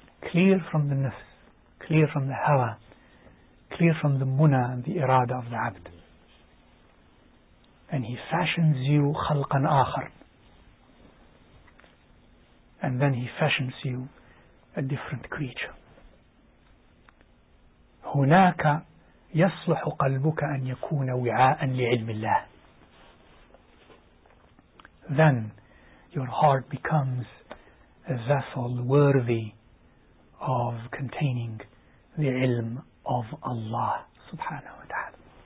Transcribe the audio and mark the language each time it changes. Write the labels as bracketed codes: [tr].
[en] Clear from the nafs, clear from the hawa, clear from the muna and the irada of the abd. And He fashions you [ar] khalqan akhar. [en] And then He fashions you a different creature. [ar] هناك يصلح قلبك أن يكون وعاء لعلم الله. [en] Then your heart becomes a vessel worthy of containing the ilm of Allah subhanahu wa ta'ala.